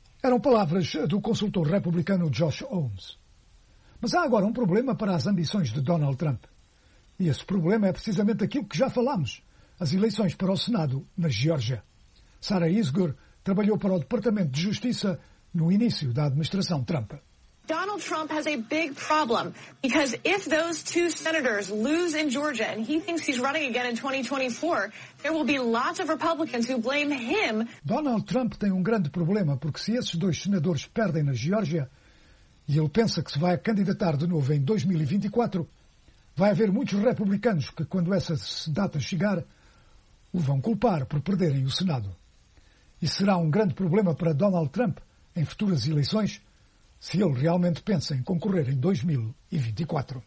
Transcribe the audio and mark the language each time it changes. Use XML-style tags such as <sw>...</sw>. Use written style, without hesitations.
<pt>Eram palavras do consultor republicano Josh Holmes. Mas há agora um problema para as ambições de Donald Trump. E esse problema é precisamente aquilo que já falámos, as eleições para o Senado na Geórgia. Sarah Isgur trabalhou para o Departamento de Justiça no início da administração Trump.</pt> <en>Donald Trump has a big problem because if those two senators lose in Georgia and he thinks he's running again in 2024, there will be lots of Republicans who blame him.</en> <pt>Donald Trump tem um grande problema porque se esses dois senadores perdem na Geórgia e ele pensa que se vai candidatar de novo em 2024, vai haver muitos republicanos que, quando essa data chegar, o vão culpar por perderem o Senado. E será um grande problema para Donald Trump em futuras eleições, se ele realmente pensa em concorrer em 2024.</pt>